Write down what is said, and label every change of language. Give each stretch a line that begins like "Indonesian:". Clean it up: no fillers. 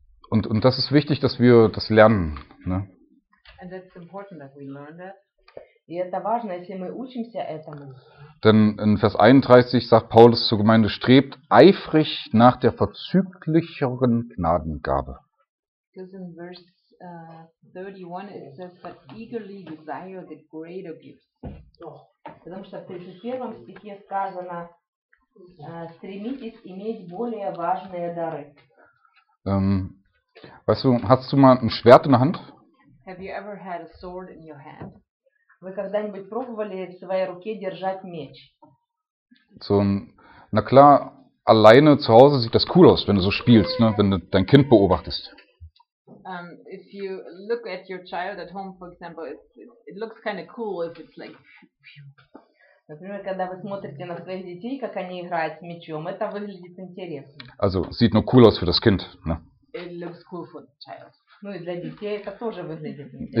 German: Und das ist wichtig, dass wir das lernen, ne?
English: And that's important that we learn that.
Russian: И это важно, если мы учимся этому.
German: Denn in Vers 31 sagt Paulus zur Gemeinde, strebt eifrig nach der verzüglicheren Gnadengabe.
English: Because in verse 31 it says, but eagerly desire the greater gifts.
Russian: Потому что в 31 стихе сказано, стремитесь иметь более важные дары.
German: Weißt du, hast du mal ein Schwert in der Hand?
English: Have you ever had a sword in your hand?
Russian: Вы когда-нибудь пробовали в своей руке держать меч?
German: So, na klar, alleine zu Hause sieht das cool aus, wenn du so spielst, ne? Wenn du dein Kind beobachtest.
English: If you look at your child at home, for example, it looks kind of cool if it's like.
Russian: Например, когда вы смотрите на своих детей, как они играют с мечом, это выглядит интересно.
German: Also sieht nur cool aus für das Kind, ne?
English: It looks cool for the child.
Russian: Ну и для детей это тоже выглядит интересно.